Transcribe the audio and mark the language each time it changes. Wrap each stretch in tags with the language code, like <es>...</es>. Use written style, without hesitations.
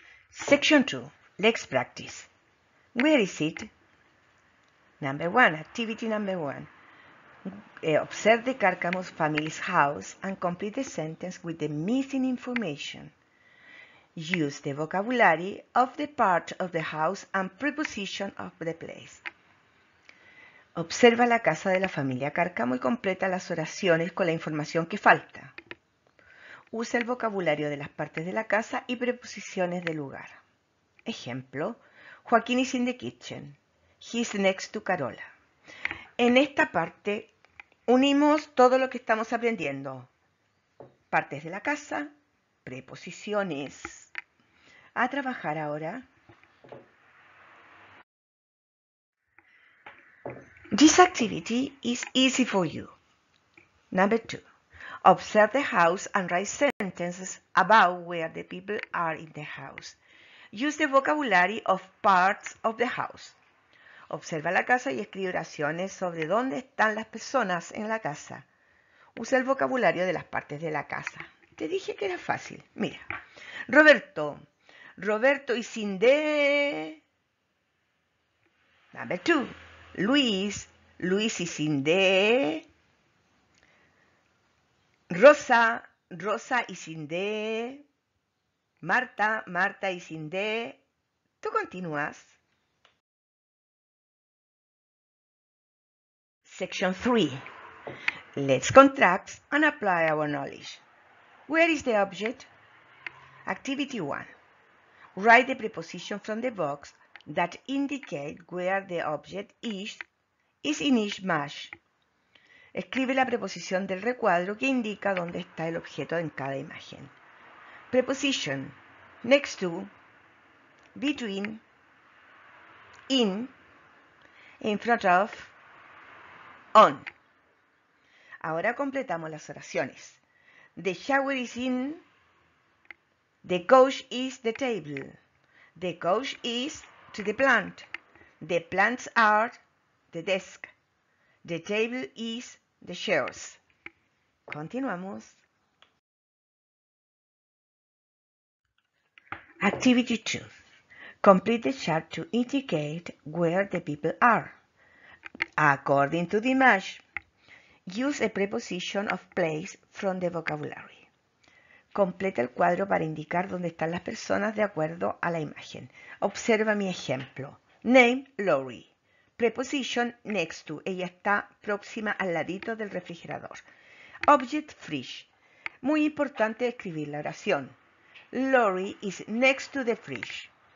<en>Section 2. Let's practice. Where is it? Number 1. Activity number 1. Observe the Cárcamos family's house and complete the sentence with the missing information. Use the vocabulary of the part of the house and preposition of the place.</en> <es>Observa la casa de la familia Cárcamo y completa las oraciones con la información que falta. Usa el vocabulario de las partes de la casa y preposiciones del lugar. Ejemplo,</es> <en>Joaquín is in the kitchen. He's next to Carola.</en> <es>En esta parte unimos todo lo que estamos aprendiendo. Partes de la casa, preposiciones. A trabajar ahora.</es> <en>This activity is easy for you. Number 2. Observe the house and write sentences about where the people are in the house. Use the vocabulary of parts of the house.</en> <es>Observa la casa y escribe oraciones sobre dónde están las personas en la casa. Usa el vocabulario de las partes de la casa. Te dije que era fácil. Mira. Roberto.</es> <en>Roberto is in the... Number 2.</en> <es>Luis.</es> <en>Luis is in the... Rosa. Rosa is in the... Marta,</en> <es>Marta y Cindé, tú continúas.</es> <en>Section 3. Let's contract and apply our knowledge. Where is the object? Activity 1. Write the preposition from the box that indicate where the object is in each match.</en> <es>Escribe la preposición del recuadro que indica dónde está el objeto en cada imagen. Preposición.</es> <en>Next to, between, in front of, on.</en> <es>Ahora completamos las oraciones.</es> <en>The shower is in. The couch is the table. The couch is to the plant. The plants are the desk. The table is the chairs.</en> <es>Continuamos.</es> <en>Activity 2. Complete the chart to indicate where the people are. According to the image, use a preposition of place from the vocabulary.</en> <es>Completa el cuadro para indicar dónde están las personas de acuerdo a la imagen. Observa mi ejemplo.</es> <en>Name, Lori. Preposition, next to.</en> <es>Ella está próxima al ladito del refrigerador.</es> <en>Object, fridge.</en> <es>Muy importante escribir la oración.</es> <en>Lori is next to the fridge.</en>